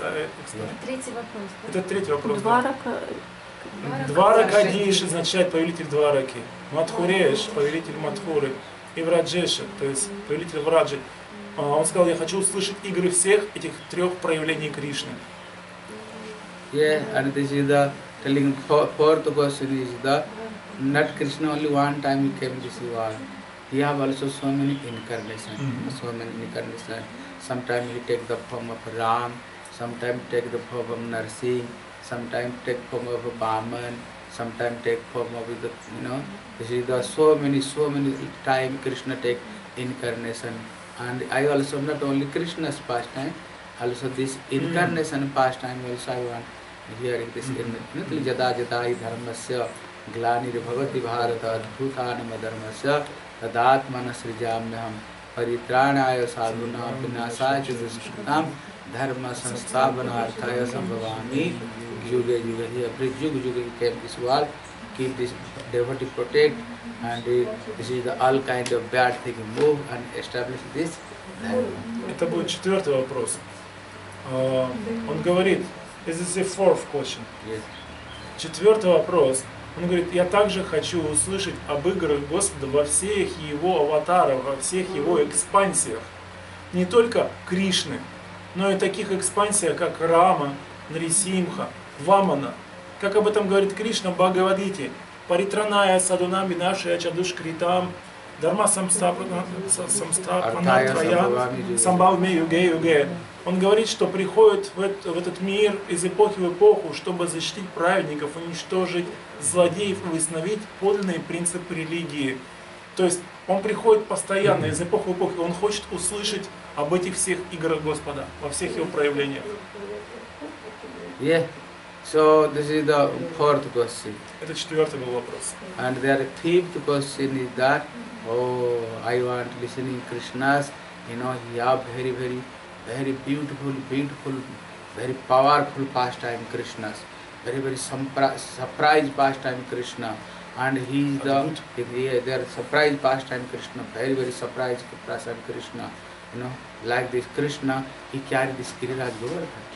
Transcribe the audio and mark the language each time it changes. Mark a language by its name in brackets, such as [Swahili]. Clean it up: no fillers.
[English] yeah. [Russian] Это третий вопрос. Дваракадиш означает повелитель Двараки. Мадхуреш повелитель Мадхуры. И Враджеша, то есть повелитель Враджи. Он сказал, я хочу услышать игры всех этих трех проявлений Кришны. [English] Yeah, and this is the telling fourth question is the not Krishna only one time he came to Sivar. He has also so many incarnations, mm-hmm. so many incarnations. Sometimes he takes the form of Ram, sometimes takes the form of Narsingh, sometimes takes form of Brahman, sometimes takes form of the, you know, this is the so many time Krishna takes incarnation. And I also not only Krishna's pastime, also this incarnation mm-hmm. pastime also I want hearing this mm-hmm. in [Sanskrit] Jada Jadai Dharmasya Glanir Bhagavati Bharata Bhutanama Dharmasya. Tadatmana Srijamyam Paritranaya Sadhuna Vinasaya Chudushkutam Dharma Sanstavana Arthaya Sambhavami Yuga Yuga Hiya Prit Yuga Yuga [English] He came this world, keep this devotee protect and this is the all kind of bad thing move and establish this dharma. [Russian] Это будет четвертый вопрос. Он говорит, [English] this is the fourth question. Yes. [Russian] Четвертый вопрос. Он говорит, я также хочу услышать об играх Господа во всех его аватарах, во всех его экспансиях. Не только Кришны, но и таких экспансиях, как Рама, Нарисимха, Вамана. Как об этом говорит Кришна в Бхагавадгите. [Sanskrit] Паритраная садунами наши ачадушкритам, дарма самстапана твоя, самбавме юге юге. [Russian] Он говорит, что приходит в этот мир из эпохи в эпоху, чтобы защитить праведников, уничтожить злодеев и восстановить подлинные принципы религии. То есть он приходит постоянно из эпохи в эпоху, и он хочет услышать об этих всех играх Господа во всех его проявлениях. [English] Yeah. So this is the fourth question. [Russian] Это четвертый был вопрос. [English] And the fifth question is that, oh, I want listening Krishna's, you know, he have very, very very beautiful, beautiful, very powerful pastime Krishna, very, very surprise pastime Krishna, and he is there surprise pastime Krishna, very, very surprise pastime Krishna, you know, like this Krishna, he carried this Giriraj Govardhan,